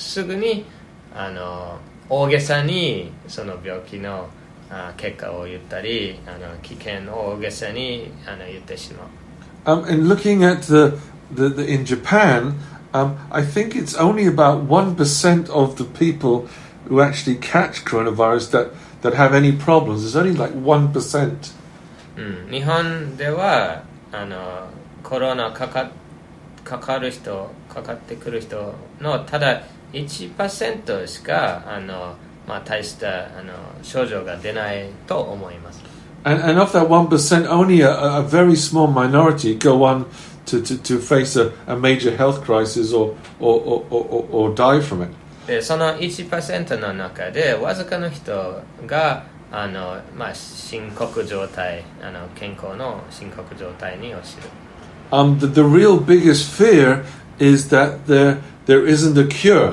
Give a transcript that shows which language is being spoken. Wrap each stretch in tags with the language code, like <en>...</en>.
<ja>すぐに大げさにその病気の結果を言ったり危険を大げさに言ってしまう。</ja> <en>And looking at the in Japan, I think it's only about 1% of the people who actually catch coronavirus that have any problems. It's only like 1%.</en> <ja>日本ではコロナかかる人、かかってくる人のただ1% しか大した症状が出ないと思います。</ja> <en>And of that 1%, only a very small minority go on to face a major health crisis or die from it.</en> <ja>で、その 1% の中でわずかの人が深刻状態、健康の深刻状態に陥る。</ja> <en>The real biggest fear is that there isn't a cure.</en>